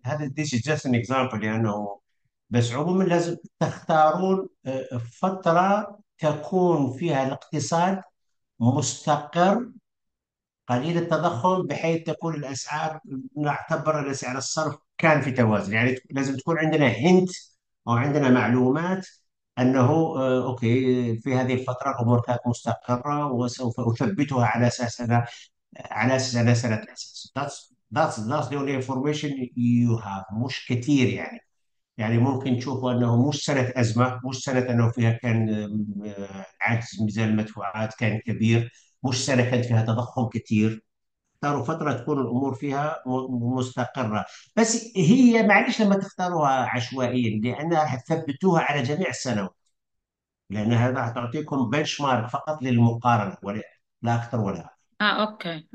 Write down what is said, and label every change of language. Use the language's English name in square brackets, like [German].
[Arabic] هذا [English] this is just an example [Arabic] لانه بس عموما لازم تختارون فتره تكون فيها الاقتصاد مستقر قليل التضخم، بحيث تكون الاسعار نعتبر ان سعر الصرف كان في توازن. يعني لازم تكون عندنا هنت او عندنا معلومات انه اوكي في هذه الفتره الامور كانت مستقره، وسوف اثبتها على اساس هذا، على اساس انا سنه اساس. [English] That's the only information you have. [Arabic] مش كثير يعني. يعني ممكن تشوفوا انه مش سنه ازمه، مش سنه انه فيها كان عجز ميزان المدفوعات كان كبير، مش سنه كان فيها تضخم كثير. اختاروا فتره تكون الامور فيها مستقره. بس هي معلش لما تختاروها عشوائيا، لانها هتثبتوها على جميع السنوات، لانها راح تعطيكم بنش مارك فقط للمقارنه، لا اكثر ولا اقل.